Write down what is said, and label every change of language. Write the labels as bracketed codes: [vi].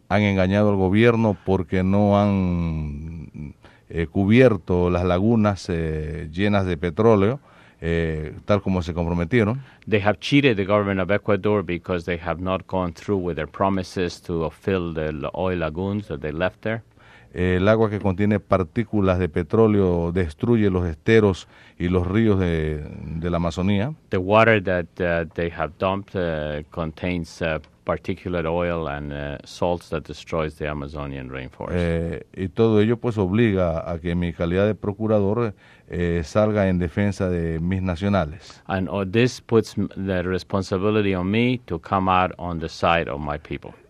[es] Han engañado al gobierno porque no han cubierto las lagunas llenas de petróleo. Tal como se comprometieron. [en] They have cheated the government of Ecuador because they have not gone through with their promises to fill the oil lagoons that they left there. [es] El agua que contiene partículas de petróleo destruye los esteros y los ríos de la Amazonía. [en] The water that they have dumped contains particulate oil and salts that destroys the Amazonian rainforest. [es] Y todo ello pues obliga a que mi calidad de procurador salga en defensa de mis nacionales. [en] And this puts the responsibility on me to come out on the side of my people.